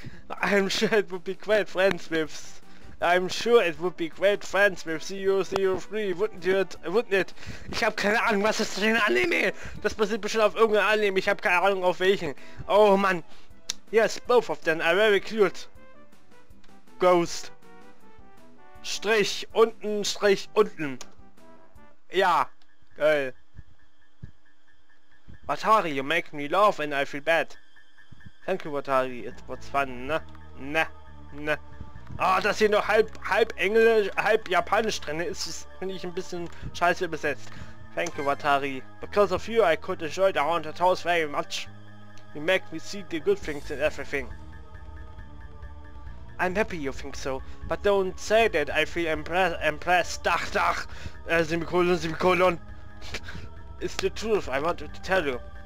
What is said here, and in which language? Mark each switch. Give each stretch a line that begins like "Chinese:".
English: I'm sure it would be great friends with CU03, wouldn't it?
German: Ich hab keine Ahnung, was ist denn Anime? Das passiert bestimmt auf irgendein Anime, ich hab keine Ahnung auf welchen.
English: Oh man. Yes, both of them are very cute. Ghost.
German: Strich, unten, Strich, unten. Ja, geil.
English: Watari, you make me laugh and I feel bad. Thank you, Watari, it was fun, ne? Ne, ne.
German: Ah, oh, dass hier nur halb Englisch, halb Japanisch drin ist, finde ich ein bisschen scheiße übersetzt.
English: Thank you, Watari. Because of you, I could enjoy the haunted house very much. You make me see the good things in everything. I'm happy you think so, but don't say that I feel impressed. Dach. Semikolon. It's the truth I wanted to tell you.